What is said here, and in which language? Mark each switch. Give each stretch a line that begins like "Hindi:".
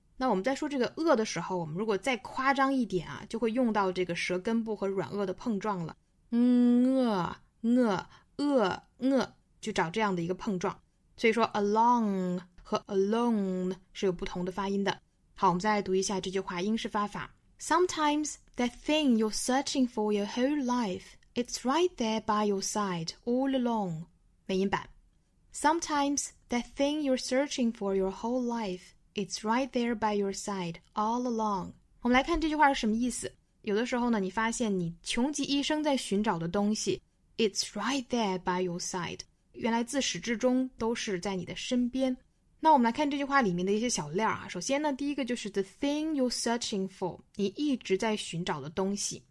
Chinese: 那我们在说这个饿的时候，我们如果再夸张一点啊，就会用到这个舌根部和软腭的碰撞了。嗯，饿饿饿饿，就找这样的一个碰撞。所以说 along 和 alone 是有不同的发音的。好，我们再来读一下这句话英式发法。
English: Sometimes that thing you're searching for your whole life,It's right there by your side all along.
Chinese: 美音版
English: Sometimes that thing you're searching for your whole life, it's right there by your side all along.
Chinese: 我们来看这句话是什么意思。有的时候呢，你发现你穷极一生在寻找的东西
English: It's right there by your side.
Chinese: 原来自始至终都是在你的身边。那我们来看这句话里面的一些小料啊。首先呢，第一个就是
English: the thing you're searching for,
Chinese: 你一直在寻找的东西。